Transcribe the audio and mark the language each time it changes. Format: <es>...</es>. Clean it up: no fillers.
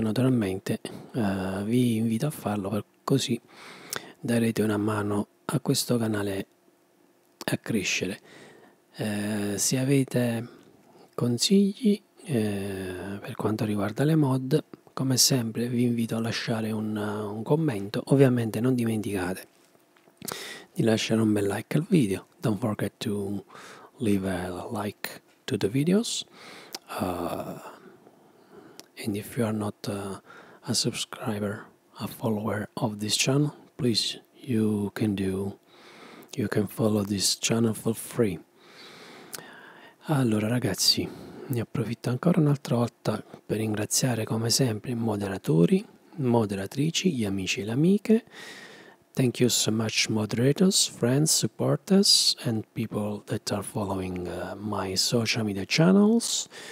<it>Naturalmente vi invito a farlo, per così darete una mano a questo canale a crescere. Se avete consigli per quanto riguarda le mod, come sempre vi invito a lasciare un commento. Ovviamente non dimenticate di lasciare un bel like al video.</it> <en>Don't forget to leave a like to the videos. And if you are not a subscriber, a follower of this channel, please, you can follow this channel for free.</en> <it>Allora ragazzi, ne approfitto ancora un'altra volta per ringraziare come sempre i moderatori, moderatrici, gli amici e le amiche.</it> <en>Thank you so much moderators, friends, supporters and people that are following my social media channels.</en>